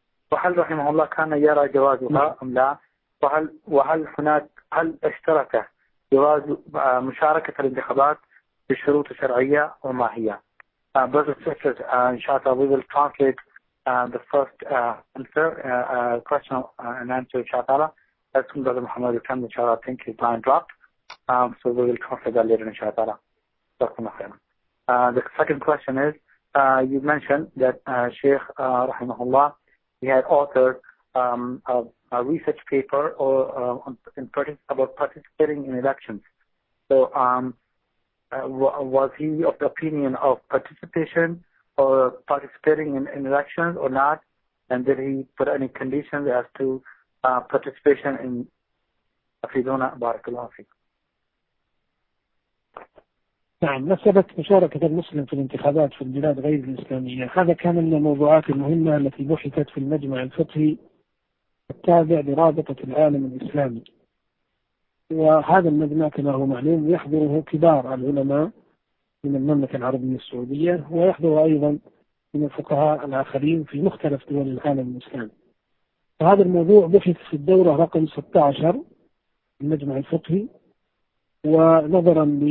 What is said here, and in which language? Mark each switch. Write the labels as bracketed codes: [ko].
[ar] فهل رحمه الله كان يرى جوازها أم لا؟ وهل هناك هل اشترك جواز مشاركة الانتخابات بشروط شرعية وما هي؟ [en] Brother sisters, inshallah, we will translate the first answer, question and answer, inshallah. That's from Brother Muhammad Al-Kam, inshallah. I think his line dropped. So we will translate that later, inshallah. The second question is, you mentioned that Sheikh Rahimahullah, he had authored a research paper or about participating in elections. So, was he of the opinion of participation or participating in elections or not? And did he put any conditions as to participation in [ar] Afidona Barakulafi? نعم مسألة مشاركة المسلم في الانتخابات في البلاد غير الإسلامية هذا كان من الموضوعات المهمة التي بحثت في المجمع الفقهي التابع لرابطة العالم الإسلامي وهذا المجمع كما هو معلوم يحضره كبار العلماء من المملكة العربية السعودية ويحضره أيضا من الفقهاء الآخرين في مختلف دول العالم الإسلامي فهذا الموضوع بحث في الدورة رقم 16 المجمع الفقهي ونظرا